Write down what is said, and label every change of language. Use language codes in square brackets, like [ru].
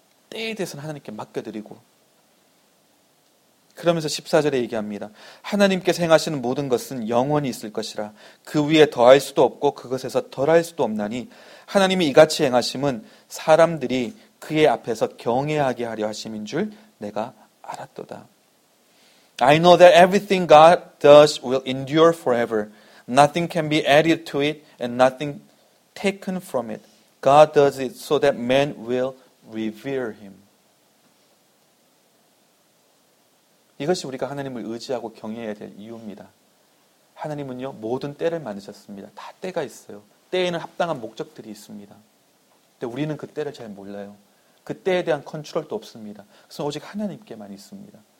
[ko] 때에 대해서는 하나님께 맡겨드리고, 그러면서 14절에 얘기합니다. 하나님께서 행하시는 모든 것은 영원히 있을 것이라 그 위에 더할 수도 없고 그것에서 덜할 수도 없나니 하나님이 이같이 행하심은 사람들이 그의 앞에서 경외하게 하려 하심인 줄 내가 알았도다. [en] I know that everything God does will endure forever. Nothing can be added to it and nothing taken from it. God does it so that men will revere him. [ko] 이것이 우리가 하나님을 의지하고 경외해야 될 이유입니다. 하나님은요, 모든 때를 만드셨습니다. 다 때가 있어요. 때에는 합당한 목적들이 있습니다. 근데 우리는 그 때를 잘 몰라요. 그 때에 대한 컨트롤도 없습니다. 그래서 오직 하나님께만 있습니다.